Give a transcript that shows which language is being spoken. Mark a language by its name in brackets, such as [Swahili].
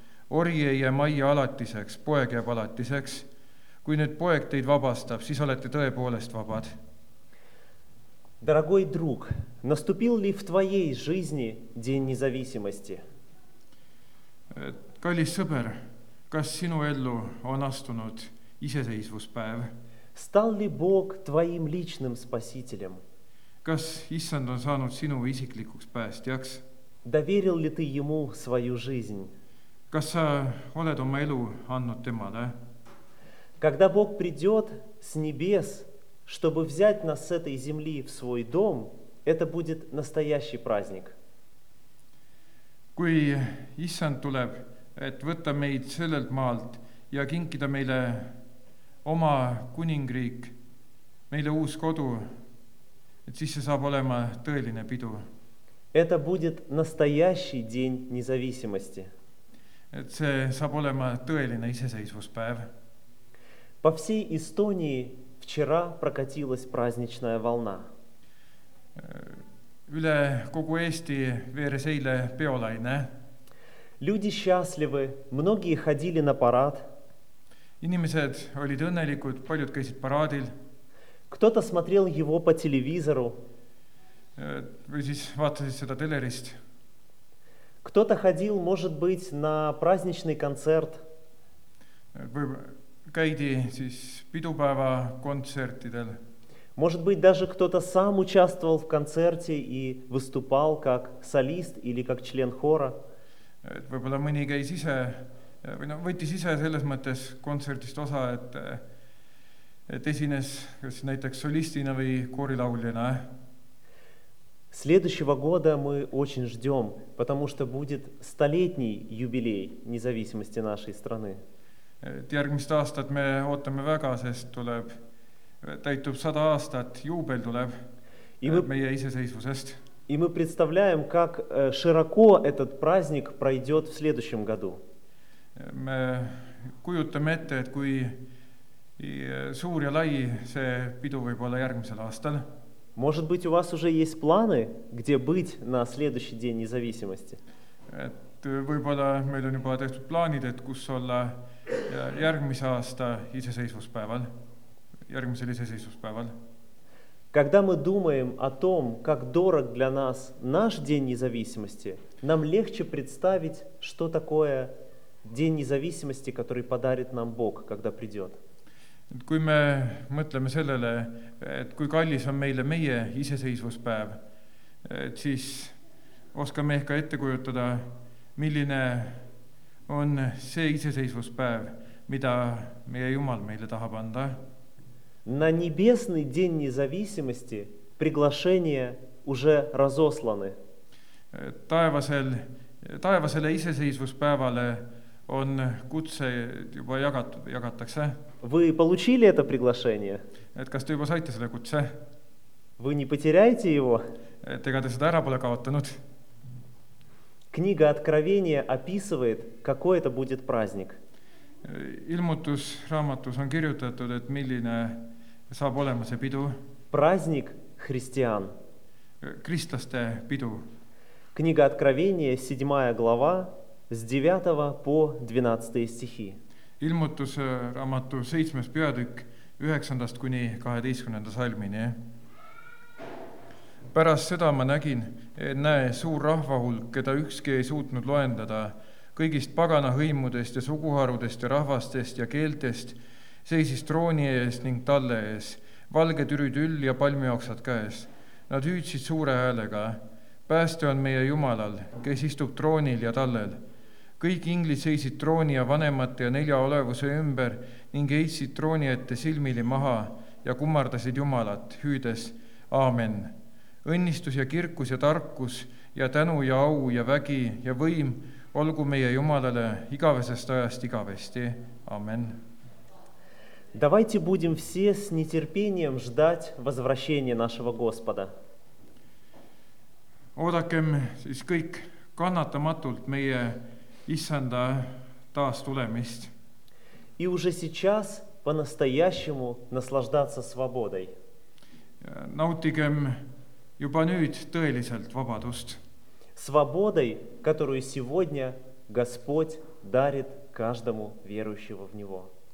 [Estonian] Ori ei jää majja alatiseks, poeg jääb alatiseks. Kui nüüd poeg teid vabastab, siis olete tõepoolest vabad. [Russian] Дорогой друг, наступил ли в твоей жизни день независимости? [Estonian] Kallis sõber, kas sinu ellu on astunud iseseisvuspäev? [Russian] Стал ли Бог твоим личным спасителем? [Estonian] Kas Issand on saanud sinu isiklikuks päästjaks? [Russian] Доверил ли ты ему свою жизнь? [Estonian] Kas sa oled oma elu annud temale? [Russian] Когда Бог придет с небес, чтобы взять нас с этой земли в свой дом, это будет настоящий праздник. [Estonian] Kui Issand tuleb, et võtta meid sellelt maalt ja kinkida meile oma kuningriik, meile uus kodu, et siis see saab olema tõeline pidu. [Russian] Это будет настоящий день независимости. [Estonian] Et see saab olema tõeline iseseisvuspäev. [Russian] По всей Эстонии вчера прокатилась праздничная волна. [Estonian] Üle kogu Eesti veeres eile peolaine. [Russian] Люди счастливы, многие ходили на парад. [Estonian] Inimesed olid õnnelikud, paljud käisid paraadil. [Russian] Кто-то смотрел его по телевизору. [Estonian] Või siis vaatasid seda telerist. [Russian] Кто-то ходил, может быть, на праздничный концерт. [Estonian] Või käidi siis pidupäeva kontsertidel. [Russian] Может быть, даже кто-то сам участвовал в концерте и выступал как солист или как член хора. [Estonian] Võib-olla mõni käis ise, või no, võttis ise selles mõttes kontsertist osa, et esines kas näiteks solistina või koorilauljana. [Russian] Следующего года мы очень ждем, потому что будет столетний юбилей независимости нашей страны. [Estonian] Järgmist aastat me ootame väga, sest tuleb, täitub 100 aastat, juubel tuleb meie iseseisvusest. [Russian] И мы представляем, как широко этот праздник пройдет в следующем году. [Estonian] Me kujutame ette, et kui suur ja lai see pidu võib olla järgmisel aastal. [Russian] Может быть, у вас уже есть планы, где быть на следующий день независимости? [Estonian] Võib-olla meil on juba tehtud plaanid, et kus olla järgmise aasta iseseisvuspäeval, järgmisel iseseisvuspäeval. [Russian] Когда мы думаем о том, как дорог для нас наш день независимости, нам легче представить, что такое день независимости, который подарит нам Бог, когда придет. [Estonian] Kui me mõtleme sellele, et kui kallis on meile meie iseseisvuspäev, siis oskame ehk ette kujutada, milline on see iseseisvuspäev, mida meie Jumal meile tahab anda. [Russian] На небесный день независимости приглашения уже разосланы. [Estonian] Таевасель iseseisvuspäevale on kutse juba jagatakse. [Russian] Вы получили это приглашение? [Estonian] Et kas te juba saite selle kutse? [Russian] Вы не потеряете его? [Estonian] Et ega te seda ära pole kaotanud. [Russian] Книга Откровения описывает, какой это будет праздник. [Estonian] Ilmutus raamatus on kirjutatud, et milline saab olema see pidu. [Russian] Праздник христиан. [Estonian] Kristlaste pidu. [Russian] Книга Откровения, 7 глава, с 9 по 12 стихи. [Estonian] Ilmutus raamatu 7. peatükk 9. kuni 12. salmini. Pärast seda ma nägin, et näe suur rahvahulk, keda ükski ei suutnud loendada, kõigist pagana hõimudest ja suguharudest ja rahvastest ja keeltest, seisis trooni ees ning talle ees, valge türüd üll ja palmioksad käes. Nad hüüdsid suure häälega. Pääste on meie Jumalal, kes istub troonil ja tallel. Kõik inglis seisid trooni ja vanemate ja nelja olevuse ümber ning heitsid trooni ette silmili maha ja kummardasid Jumalat, hüüdes aamen. Õnnistus ja kirkus ja tarkus ja tänu ja au ja vägi ja võim olgu meie Jumalale igavesest ajast igavesti. Amen. [Russian] Давайте будем все с нетерпением ждать возвращения нашего Господа. [Estonian] Oodakem siis kõik kannatamatult meie Issanda taastulemist. [Russian] И уже сейчас по-настоящему наслаждаться свободой. [Estonian] Nautigem juba nüüd tõeliselt vabadust. [Russian] Свободой, которую сегодня Господь дарит каждому верующего в Него.